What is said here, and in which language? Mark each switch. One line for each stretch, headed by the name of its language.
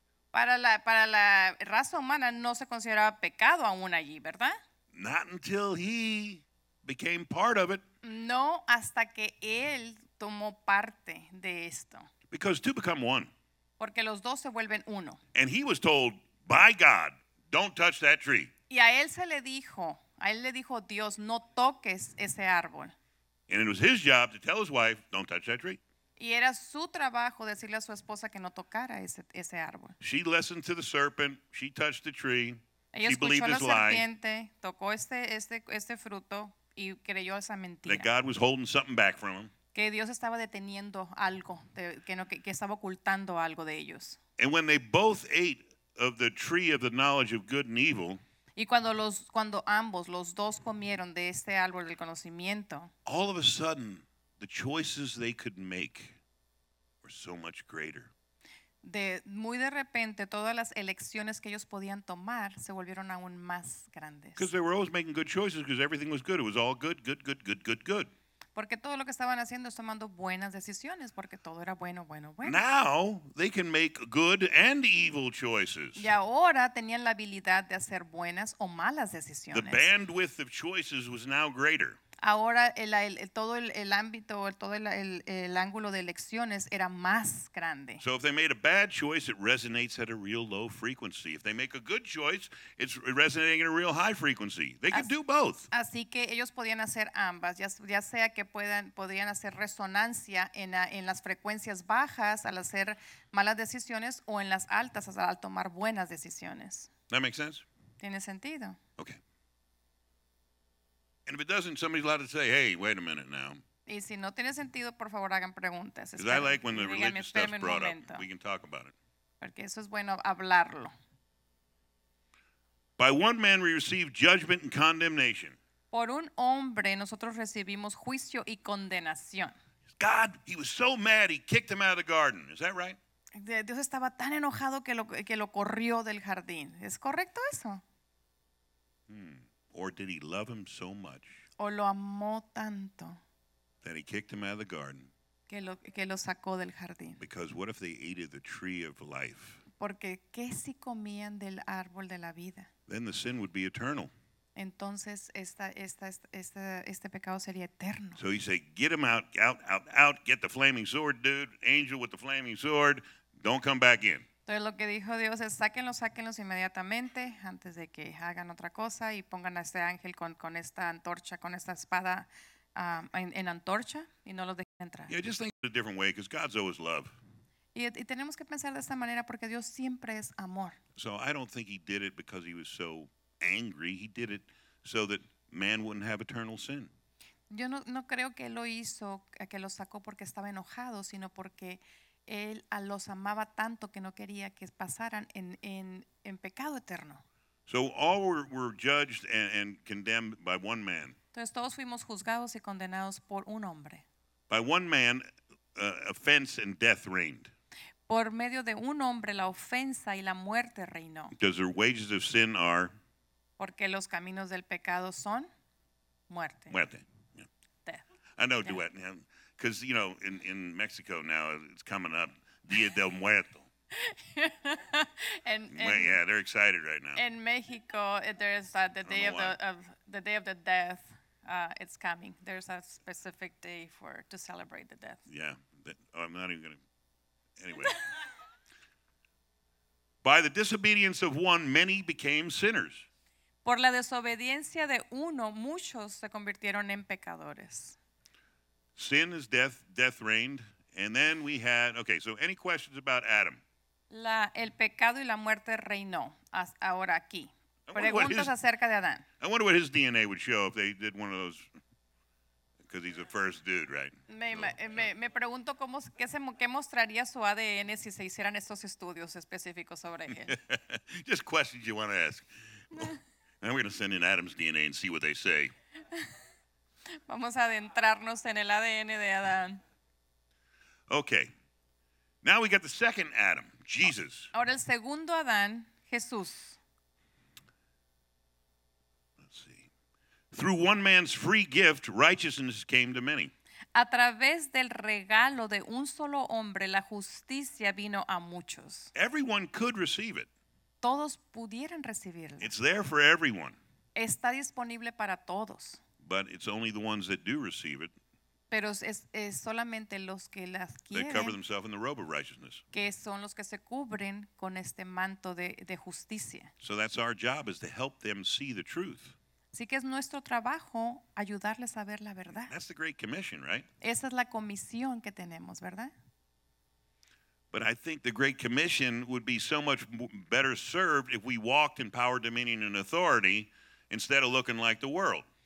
Spanish: Para la raza humana no se consideraba pecado aún allí, ¿verdad?
English: Not until he became part of it.
Spanish: No hasta que él tomó parte de esto.
English: Because two become one.
Spanish: Porque los dos se vuelven uno.
English: And he was told by God, don't touch that tree.
Spanish: Y a él se le dijo, Dios, no toques ese árbol.
English: And it was his job to tell his wife, don't touch that tree.
Spanish: Y era su trabajo decirle a su esposa que no tocara ese árbol.
English: She listened to the serpent, she touched the tree.
Spanish: Ella
English: she believed his
Spanish: serpiente,
English: lie.
Spanish: Ella escuchó a la serpiente, tocó este fruto. Y creyó esa mentira.
English: That God was holding something back from him.
Spanish: Que Dios estaba deteniendo algo, que estaba ocultando algo de ellos.
English: And when they both ate of the tree of the knowledge of good and evil.
Spanish: Y cuando ambos, los dos comieron de este árbol del conocimiento.
English: All of a sudden, the choices they could make were so much greater.
Spanish: de muy de repente todas las elecciones que ellos podían tomar se volvieron aún más grandes.
English: Because they were always making good choices because everything was good. It was all good, good, good, good, good, good.
Spanish: Porque todo lo que estaban haciendo es tomando buenas decisiones porque todo era bueno, bueno, bueno.
English: Now they can make good and evil choices.
Spanish: Y ahora tenían la habilidad de hacer buenas o malas decisiones.
English: The bandwidth of choices was now greater.
Spanish: Ahora el ámbito, todo el ángulo de elecciones era más grande.
English: So if they made a bad choice, it resonates at a real low frequency. If they make a good choice, it's resonating at a real high frequency. They could do both.
Spanish: Así que ellos podían hacer ambas. Ya sea que podían hacer resonancia en las frecuencias bajas al hacer malas decisiones o en las altas al tomar buenas decisiones.
English: That makes sense?
Spanish: Tiene sentido.
English: Okay. And if it doesn't, somebody's allowed to say, hey, wait a minute now.
Spanish: Y si no tiene sentido, por favor, hagan preguntas.
English: Because I like when the religious stuff's brought up. We can talk about it.
Spanish: Porque eso es bueno hablarlo.
English: By one man we receive judgment and condemnation.
Spanish: Por un hombre nosotros recibimos juicio y condenación.
English: God, he was so mad he kicked him out of the garden. Is that right?
Spanish: Dios estaba tan enojado que lo corrió del jardín. ¿Es correcto eso?
English: Or did he love him so much
Spanish: o lo amó tanto
English: that he kicked him out of the garden
Spanish: que lo sacó del jardín?
English: Because what if they ate of the tree of life?
Spanish: Porque ¿qué si comían del árbol de la vida?
English: Then the sin would be eternal.
Spanish: Entonces este pecado sería eterno.
English: So he said, get him out, out, out, out, get the flaming sword, dude, angel with the flaming sword, don't come back in.
Spanish: Entonces lo que dijo Dios es sáquenlos inmediatamente antes de que hagan otra cosa y pongan a este ángel con esta antorcha, con esta espada en antorcha y no los dejen entrar.
English: Yeah, just think of it a different way because God's always love.
Spanish: Y tenemos que pensar de esta manera porque Dios siempre es amor.
English: So I don't think he did it because he was so angry. He did it so that man wouldn't have eternal sin.
Spanish: Yo no creo que él lo hizo, que lo sacó porque estaba enojado, sino porque él los amaba tanto que no quería que pasaran en pecado eterno.
English: So all were judged and condemned by one man.
Spanish: Entonces todos fuimos juzgados y condenados por un hombre.
English: By one man, offense and death reigned.
Spanish: Por medio de un hombre, la ofensa y la muerte reinó.
English: Because the wages of sin are.
Spanish: Porque los caminos del pecado son muerte. Muerte.
English: Yeah. I know, yeah. Duet. Yeah. Because, you know, in Mexico now, it's coming up, Día del Muerto. and yeah, they're excited right now. In Mexico, there's the Day of the Death. It's coming. There's a specific day to celebrate the death. Yeah. I'm not even going to. Anyway. By the disobedience of one, many became sinners. Por la desobediencia de uno, muchos se convirtieron en pecadores. Sin is death, death reigned. And then we had, okay, so any questions about Adam?
Spanish: El pecado y la muerte reinó ahora aquí. Preguntas acerca de Adán.
English: I wonder what his DNA would show if they did one of those, because he's the first dude, right?
Spanish: Me pregunto qué mostraría su ADN si se hicieran estos estudios específicos sobre él.
English: Just questions you want to ask. Now we're going to send in Adam's DNA and see what they say.
Spanish: Vamos a adentrarnos en el ADN de Adán.
English: Okay. Now we got the second Adam, Jesus.
Spanish: Ahora el segundo Adán, Jesús.
English: Let's see. Through one man's free gift, righteousness came to many.
Spanish: A través del regalo de un solo hombre, la justicia vino a muchos.
English: Everyone could receive it.
Spanish: Todos pudieran recibirlo.
English: It's there for everyone.
Spanish: Está disponible para todos.
English: But it's only the ones that do receive it.
Spanish: Pero es solamente los que las quieren.
English: They cover themselves in the robe of righteousness.
Spanish: Que son los que se cubren con este manto de justicia.
English: So that's our job, is to help them see the truth.
Spanish: Así que es nuestro trabajo ayudarles a ver la verdad.
English: That's the great commission, right?
Spanish: Esa es la comisión que tenemos, ¿verdad?
English: But I think the great commission would be so much better served if we walked in power, dominion, and authority instead of looking like the world.